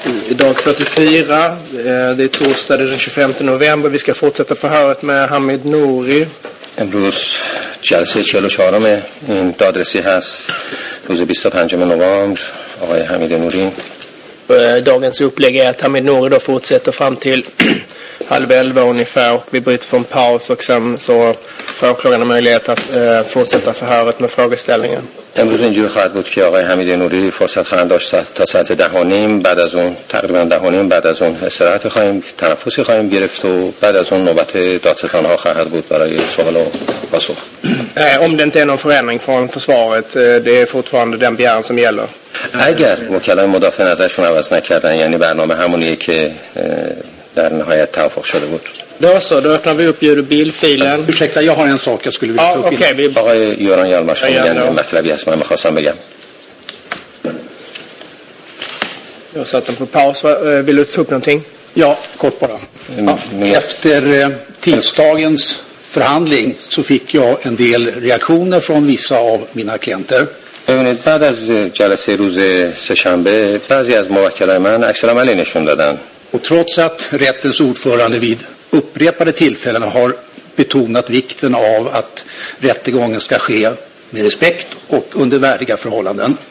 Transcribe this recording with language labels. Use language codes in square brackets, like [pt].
[sv] Idag 34, det är torsdag den 25 november. Vi ska fortsätta förhöret med Hamid Nouri. [fa] امروز جلسه 44 این دادرسی هست روز 25 نوامبر آقای حمید نوری. [sv] Dagens upplägg är att Hamid Nouri då fortsätter fram till 10:30 ungefär och vi bryter från paus och sen så får åklagarna möjlighet att fortsätta förhöret med frågeställningen. [fa] امروز اینجور خواهد بود که آقای حمید نوری فرصت خواهند داشت تا ساعت 10:30 بعد از اون تقریبا 10:30 بعد از اون استراحت خواهیم تنفسی خواهیم گرفت و بعد از اون نوبت دادستان ها خواهد بود برای سوال و پاسخ. [sv] Om det inte är någon förändring från försvaret, det är fortfarande den begäran som gäller. [fa] اگر وکلا مدافع نظرشون عوض نکردن یعنی برنامه همونیه که در نهایت توافق شده بود. [sv] Då så, då öppnar vi upp bilfilen. Ursäkta, jag har en sak jag skulle vilja ta upp. Okay, bara Göran Hjalmarsson igen, Mathilde Jasmine, jag måste säga. Jag satt den på paus. Vill du ta upp någonting? Ja, kort bara. Efter tisdagens förhandling så fick jag en del reaktioner från vissa av mina klienter. [fa] ببینید بعد از جلسه روز سه‌شنبه بعضی از موکلای من عکس العملی نشون دادن [sv] و trots att rättens ordförande vid upprepade tillfällen har betonat vikten av att rättegången ska ske med respekt och under värdiga förhållanden.